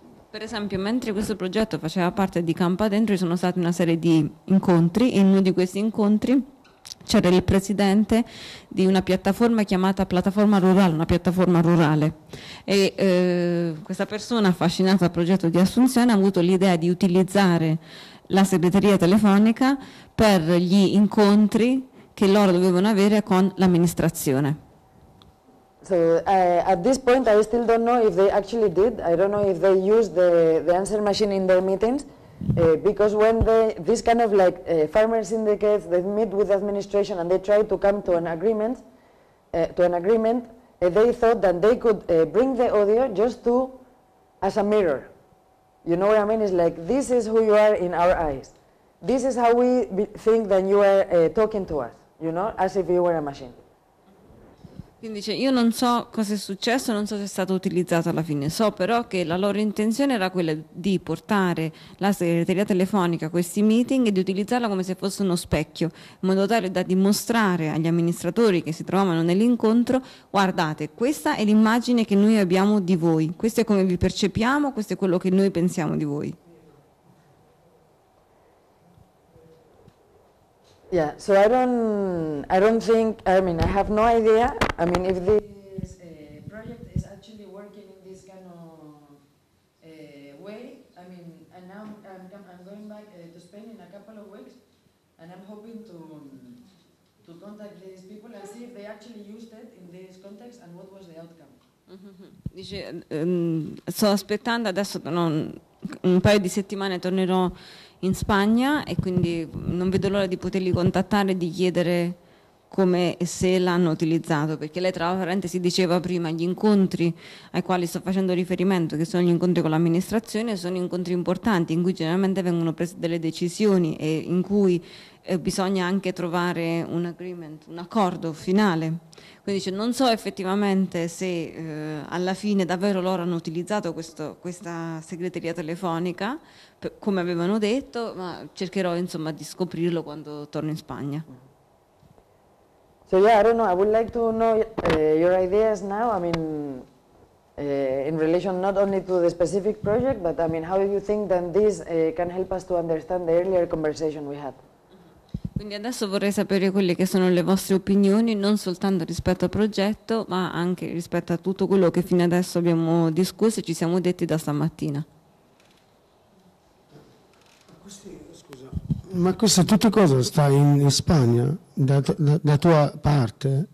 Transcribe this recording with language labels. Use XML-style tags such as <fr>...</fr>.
<it>Per esempio, mentre questo progetto faceva parte di Campo Adentro, ci sono stati una serie di incontri, e in uno di questi incontri c'era il presidente di una piattaforma chiamata Plataforma Rurale, una piattaforma rurale. E questa persona, affascinata dal progetto di assunzione, ha avuto l'idea di utilizzare la segreteria telefonica per gli incontri che loro dovevano avere con l'amministrazione.</it> <en>So at this point I still don't know if they actually did. I don't know if they used the answer machine in their meetings. Because when this kind of like farmer syndicates, they meet with the administration and they try to come to an agreement, they thought that they could bring the audio just to, as a mirror. You know what I mean? It's like, this is who you are in our eyes. This is how we think that you are talking to us, you know, as if you were a machine.</en> <it>Quindi dice, io non so cosa è successo, non so se è stato utilizzato alla fine, so però che la loro intenzione era quella di portare la segreteria telefonica a questi meeting e di utilizzarla come se fosse uno specchio, in modo tale da dimostrare agli amministratori che si trovavano nell'incontro, guardate, questa è l'immagine che noi abbiamo di voi, questo è come vi percepiamo, questo è quello che noi pensiamo di voi.</it> <en>Yeah, so I have no idea, I mean, if this project is actually working in this kind of way, I mean, and now I'm going back to Spain in a couple of weeks, and I'm hoping to contact these people and see if they actually used it in this context and what was the outcome.</en> <it>Dice, sto aspettando adesso, un paio di settimane tornerò in Spagna e quindi non vedo l'ora di poterli contattare e di chiedere come e se l'hanno utilizzato, perché lei tra l'altro si diceva prima, gli incontri ai quali sto facendo riferimento, che sono gli incontri con l'amministrazione, sono incontri importanti in cui generalmente vengono prese delle decisioni e in cui bisogna anche trovare un agreement, un accordo finale. Quindi dice, non so effettivamente se alla fine davvero loro hanno utilizzato questa segreteria telefonica, come avevano detto, ma cercherò insomma di scoprirlo quando torno in Spagna.</it> <en>So yeah, I don't know. I would like to know your ideas now. I mean, In relation not only to the specific project, but I mean, how do you think then this can help us to understand the earlier conversation we had?</en> <it>Quindi adesso vorrei sapere quelle che sono le vostre opinioni, non soltanto rispetto al progetto, ma anche rispetto a tutto quello che fino adesso abbiamo discusso e ci siamo detti da stamattina. Ma questa tutta cosa sta in Spagna, da tua parte?</it>